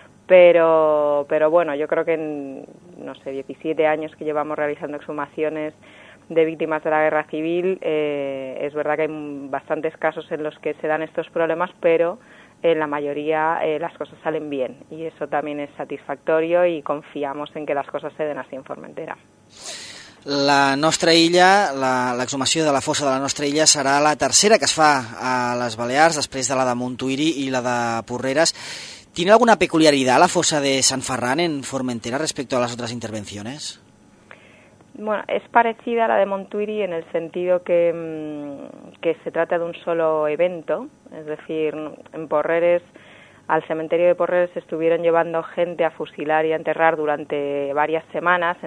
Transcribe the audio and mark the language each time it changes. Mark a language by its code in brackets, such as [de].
[es] Pero bueno, yo creo que en, no sé, 17 años que llevamos realizando exhumaciones de víctimas de la guerra civil, es verdad que hay bastantes casos en los que se dan estos problemas, pero en la mayoría las cosas salen bien, y eso también es satisfactorio, y confiamos en que las cosas se den así en Formentera. [ca] La nostra illa, l'exhumació de la fossa de la nostra illa serà la tercera que es fa a les Balears, després de la de Montuïri i la de Porreres. [es] ¿Tiene alguna peculiaridad la fosa de San Ferran en Formentera respecto a las otras intervenciones? Bueno, es parecida a la de Montuïri en el sentido que se trata de un solo evento. Es decir, en Porreres, al cementerio de Porreres, estuvieron llevando gente a fusilar y a enterrar durante varias semanas.